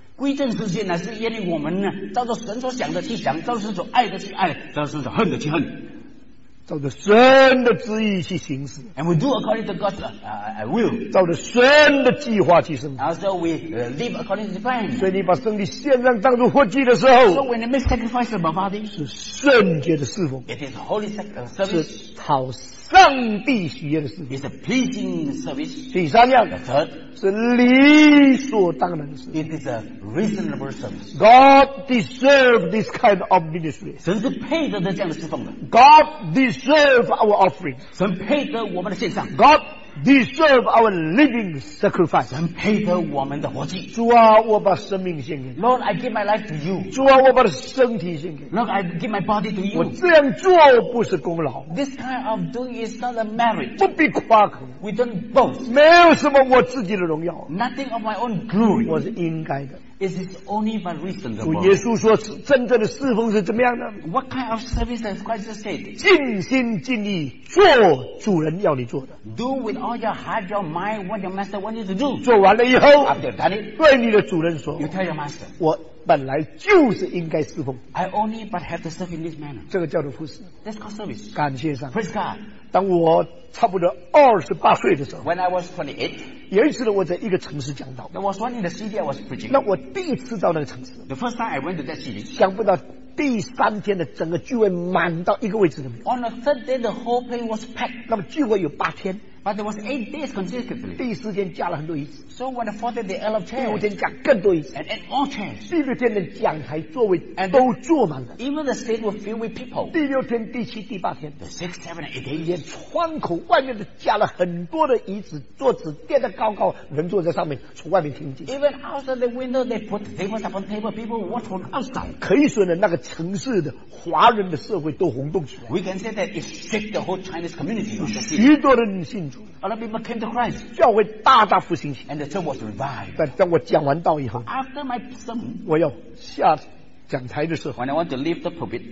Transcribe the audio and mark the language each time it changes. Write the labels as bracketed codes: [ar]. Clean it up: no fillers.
[zh] 归正之心乃是愿意我们照着神所想的去想，照着神所爱的去爱，照着神所恨的去恨。照着神的旨意去行事。 [en] And we do according to God's will. [zh] 照着神的计划去生。 [en] And so we live according to the plan. [zh] 所以你把生命献上当作活祭的时候。 [en] So when you make sacrifice to my Father, [zh] 是圣洁的侍奉。 [en] It is holy service. [zh] 是讨上帝喜悦的事。 [en] It's a pleasing service. [zh] 第三样。 [en] The third. [zh] 是理所当然的事。 [en] It is a reasonable service. God deserves this kind of ministry. [zh] 神是配得这样的侍奉的。 [en] God deserve our offering. [zh] 神配得我们的献上。 [en] God deserve our living sacrifice. [zh] 神配得我们的活祭。主啊，我把生命献给你。 [en] Lord, I give my life to you. [zh] 主啊，我把身体献给你。 [en] Lord, I give my body to you. [zh] 我这样做不是功劳。 [en] This kind of doing is not a merit. [zh] 不必夸口。 [en] We don't boast. [zh] 没有什么我自己的荣耀。 [en] Nothing of my own glory. [zh] 我是应该的。 [en] Is it only by reason of [zh] God? 主耶稣说真正的侍奉是怎么样的？ [en] What kind of service has Christ said? [zh] 尽心尽力做主人要你做的。 [en] Do with all your heart, your mind, what your master wants you to do. [zh] 做完了以后 [en] After done it, [zh] 对你的主人说 [en] You tell your master, [zh] 我本来就是应该侍奉。 [en] I only but have to serve in this manner. [zh] 这个叫做服侍。 [en] That's called service. [zh] 感谢上。 [en] Praise God. [zh] 当我差不多28岁的时候 [en] When I was 28, [zh] 有一次呢，我在一个城市讲道。 [en] There was one in the city I was preaching. [zh] 那我第一次到那个城市。 [en] The first time I went to that city. [zh] 想不到第三天的整个聚会满到一个位置都没有。 [en] On the third day, the whole place was packed. [zh] 那么聚会有八天。 [en] But there was 8 days consecutively. [zh] 第四天加了很多椅子。 [en] So when the fourth day, they added chairs. [zh] 第五天加更多椅子。 [en] And all chairs. [zh] 第六天的讲台座位都坐满了。 [en] Even the stage was filled with people. [zh] 第六天、第七、第八天。 [en] The sixth, seventh, eighth day. [zh] 连窗口外面都加了很多的椅子、桌子，垫得高高，人坐在上面，从外面听进。 [en] Even outside the window, they put tables upon table. People watch from outside. [zh] 可以说呢，那个城市的华人的社会都轰动起来。 [en] We can say that it shook the whole Chinese community. [zh] 许多人信主。 [en] A lot of people came to Christ. [zh] 教会大大复兴起。 [en] And the church was revived. [zh] 但当我讲完道以后 [en] After my sermon, [zh] 我要下讲台的时候 When I want to leave the pulpit,